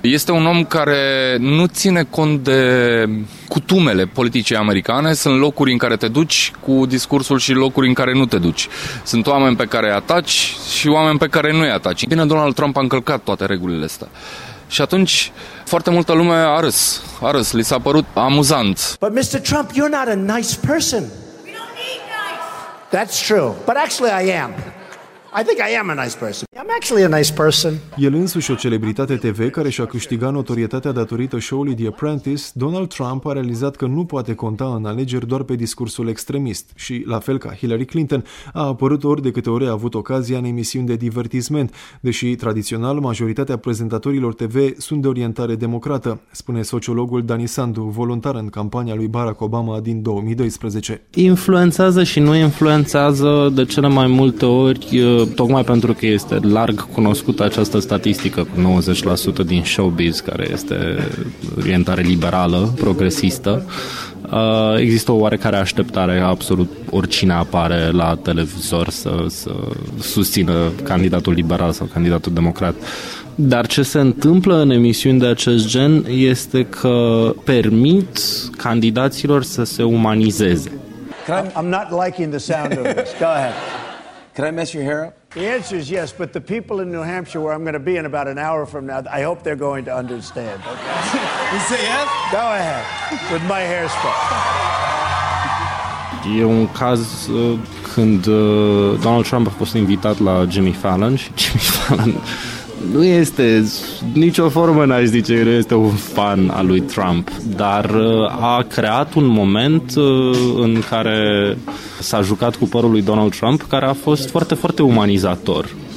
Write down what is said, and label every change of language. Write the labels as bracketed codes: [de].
[ro] Este un om care nu ține cont de cutumele politicii americane. Sunt locuri în care te duci cu discursul și locuri în care nu te duci. Sunt oameni pe care îi ataci și oameni pe care nu îi ataci. Bine, Donald Trump a încălcat toate regulile astea. Și atunci, foarte multă lume a râs, li s-a părut amuzant. [en] But Mr. Trump, you're not a nice person. We don't need nice. That's true. But actually I am. I think I am a nice person. I'm actually a nice person. [ro] El însuși o celebritate TV care și-a câștigat notorietatea datorită show-ului The Apprentice, Donald Trump a realizat că nu poate conta în alegeri doar pe discursul extremist și, la fel ca Hillary Clinton, a apărut ori de câte ori a avut ocazia în emisiuni de divertisment, deși, tradițional, majoritatea prezentatorilor TV sunt de orientare democrată, spune sociologul Dani Sandu, voluntar în campania lui Barack Obama din 2012. Influențează și nu influențează de cele mai multe ori, tocmai pentru că este larg cunoscută această statistică cu 90% din showbiz care este orientare liberală, progresistă. Există o oarecare așteptare absolut oricine apare la televizor să susțină candidatul liberal sau candidatul democrat. Dar ce se întâmplă în emisiuni de acest gen este că permit candidaților să se umanizeze. [en] I'm not liking the sound of this. Go ahead. Can I mess your hair up? The answer is yes, but the people in New Hampshire, where I'm going to be in about an hour from now, I hope they're going to understand. You say yes? Go ahead, with my hair spray. [ro] E un caz când Donald Trump a fost invitat la Jimmy Fallon și Jimmy Fallon nu este, nicio formă n-aș zice, nu este un fan al lui Trump, dar a creat un moment în care s-a jucat cu părul lui Donald Trump, care a fost foarte, foarte umanizator.